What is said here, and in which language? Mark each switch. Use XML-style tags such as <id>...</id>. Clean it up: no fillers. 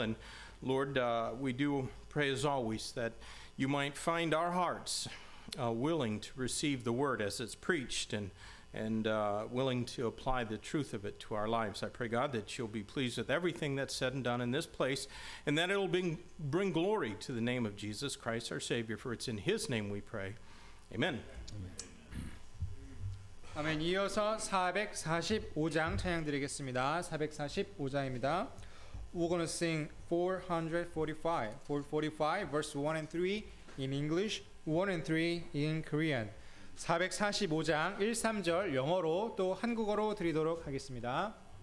<en>And Lord, we do pray as always that you might find our hearts willing to receive the word as it's preached and willing to apply the truth of it to our lives. I pray, God, that you'll be pleased with everything that's said and done in this place, and that it'll bring glory to the name of Jesus Christ, our Savior, for it's in his name we pray. Amen. Amen.</en> <ko>이어서 445장 찬양 드리겠습니다. 445장입니다.</ko> <en>We're going to sing 445, verse 1 and 3 in English, 1 and 3 in Korean.</en> <ko>445장 1, 3절 영어로 또 한국어로 드리도록 하겠습니다.</ko>